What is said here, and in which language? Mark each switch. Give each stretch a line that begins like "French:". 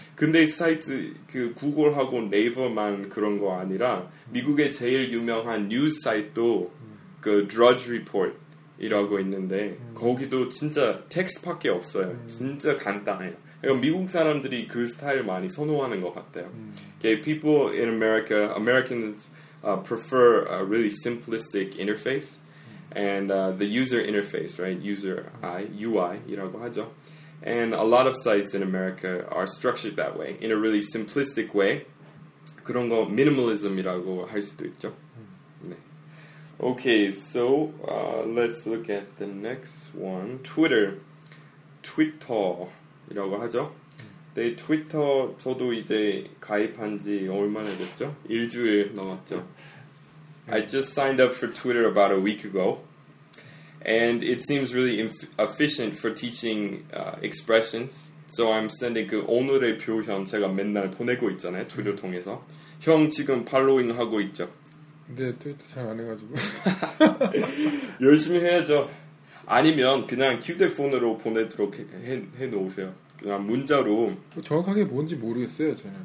Korean: 근데 사이트 그 구글하고 네이버만 그런 거 아니라 미국의 제일 유명한 뉴스 사이트도 그 Drudge Report이라고 있는데 거기도 진짜 텍스트밖에 없어요. 진짜 간단해요. 그러니까 미국 사람들이 그 스타일 많이 선호하는 것 같아요.
English: Okay, people in America, Americans prefer a really simplistic interface and the user interface, right?
Korean: User UI이라고 하죠.
English: And a lot of sites in America are structured that way, in a really simplistic way.
Korean: 그런 거 minimalism이라고 할 수도 있죠.
English: Okay, so let's look at the next one.
Korean: Twitter. Twitter이라고 하죠. 네, 트위터 저도 이제 가입한 지 얼마나 됐죠? 일주일 넘었죠.
English: I just signed up for Twitter about a week ago. And it seems really efficient for teaching expressions. So I'm sending
Korean: 그 오늘의 표현 제가 맨날 보내고 있잖아요, 트위터 통해서. 형 지금 팔로잉 하고 있죠? 네, 트위터 잘 안 해가지고. 열심히 해야죠. 아니면 그냥 휴대폰으로 보내도록 해놓으세요. 그냥 문자로. 정확하게 뭔지 모르겠어요, 저는.